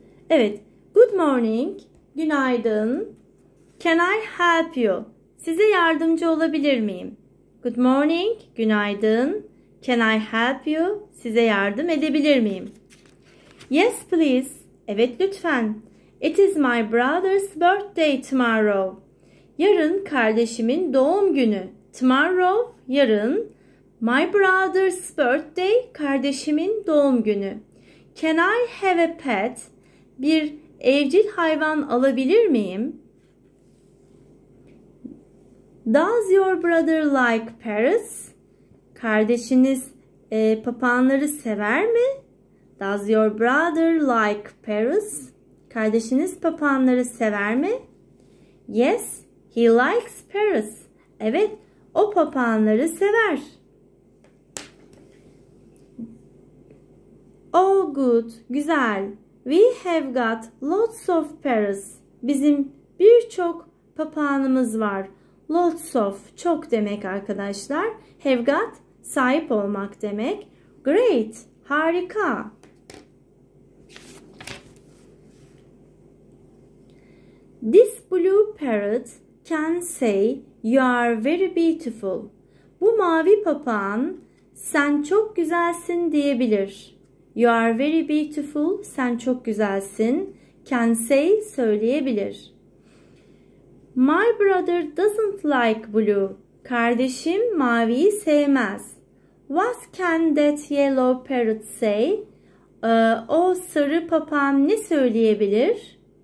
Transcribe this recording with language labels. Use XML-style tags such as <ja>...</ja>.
<tr>Evet,</tr> <en>good morning. Günaydın. Can I help you?</en> <tr>Size yardımcı olabilir miyim?</tr> <en>Good morning,</en> <tr>günaydın.</tr> <en>Can I help you?</en> <tr>Size yardım edebilir miyim?</tr> <en>Yes, please.</en> <tr>Evet, lütfen.</tr> <en>It is my brother's birthday tomorrow.</en> <tr>Yarın kardeşimin doğum günü.</tr> <en>Tomorrow,</en> <tr>yarın.</tr> <en>My brother's birthday,</en> <tr>kardeşimin doğum günü.</tr> <en>Can I have a pet?</en> <tr>Bir evcil hayvan alabilir miyim?</tr> <en>Does your brother like parrots?</en> <tr>Kardeşiniz papağanları sever mi?</tr> <en>Does your brother like parrots?</en> <tr>Kardeşiniz papağanları sever mi?</tr> <en>Yes, he likes parrots.</en> <tr>Evet, o papağanları sever.</tr> <en>Oh good, güzel. We have got lots of parrots.</en> <tr>Bizim birçok papağanımız var.</tr> <en>Lots of,</en> <tr>çok demek arkadaşlar. Have got, sahip olmak demek.</tr> <en>Great, harika. This blue parrot can say you are very beautiful.</en> <tr>Bu mavi papağan sen çok güzelsin diyebilir.</tr> <en>You are very beautiful,</en> <tr>sen çok güzelsin. Can say, söyleyebilir.</tr> <en>My brother doesn't like blue.</en> <tr>Kardeşim maviyi sevmez.</tr> <en>What can that yellow parrot say?</en> <tr>O sarı papağan ne söyleyebilir?</tr>